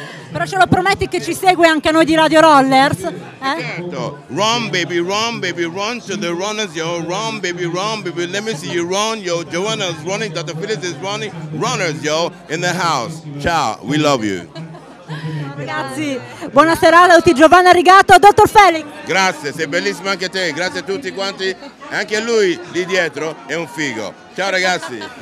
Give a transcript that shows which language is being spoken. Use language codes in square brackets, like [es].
[it] Però ce lo prometti che ci segue anche noi di Radio Rollers? [en] Certo, run baby run to the runners, yo, run baby let me see you run, yo, Joanna's running, Dr. Phyllis is running, runners, yo, in the house, ciao, we love you. [it] Ragazzi, buona serata a tutti, Giovanna Rigato, Dr. Felix. Grazie, sei bellissima anche te, grazie a tutti quanti, anche lui lì dietro è un figo, ciao ragazzi.